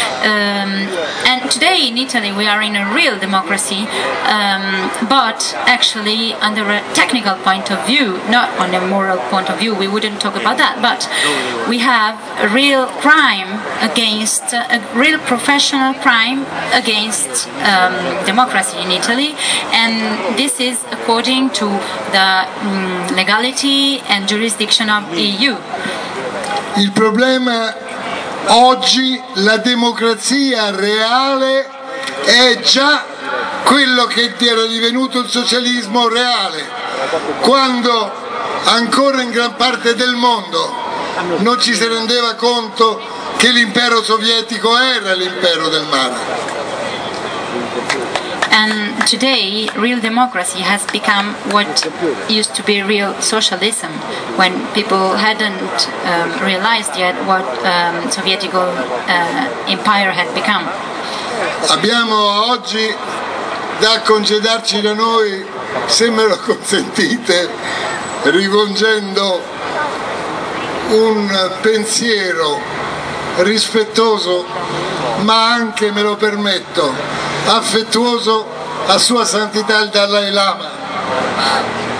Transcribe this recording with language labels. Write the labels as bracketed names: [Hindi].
[English] And today in Italy we are in a real democracy, but actually under a technical point of view, not on a moral point of view, we wouldn't talk about that, but we have a real crime against, a real professional crime against democracy in Italy, and this is according to the legality and jurisdiction of EU. [Italian] Il problema oggi, la democrazia reale è già quello che era divenuto il socialismo reale, quando ancora in gran parte del mondo non ci si rendeva conto che l'impero sovietico era l'impero del male. [English] And today, real democracy has become what used to be real socialism, when people hadn't realized yet what Sovietical empire had become. [Italian] Abbiamo oggi da congedarci da noi, se me lo consentite, rivolgendo un pensiero rispettoso, ma anche, me lo permetto, affettuoso a Sua Santità il Dalai Lama.